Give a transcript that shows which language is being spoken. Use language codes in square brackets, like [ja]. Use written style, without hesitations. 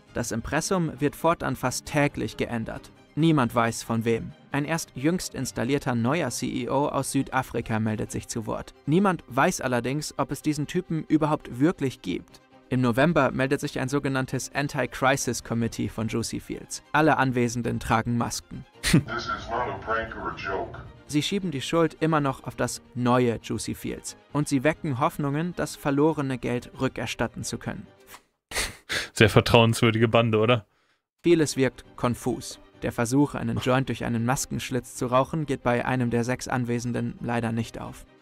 [de] Das Impressum wird fortan fast täglich geändert. Niemand weiß von wem. Ein erst jüngst installierter neuer CEO aus Südafrika meldet sich zu Wort. Niemand weiß allerdings, ob es diesen Typen überhaupt wirklich gibt. Im November meldet sich ein sogenanntes Anti-Crisis-Committee von Juicy Fields. Alle Anwesenden tragen Masken. [en] This is not a prank or a joke. [de] Sie schieben die Schuld immer noch auf das neue Juicy Fields. Und sie wecken Hoffnungen, das verlorene Geld rückerstatten zu können. Sehr vertrauenswürdige Bande, oder? Vieles wirkt konfus. Der Versuch, einen Joint durch einen Maskenschlitz zu rauchen, geht bei einem der 6 Anwesenden leider nicht auf.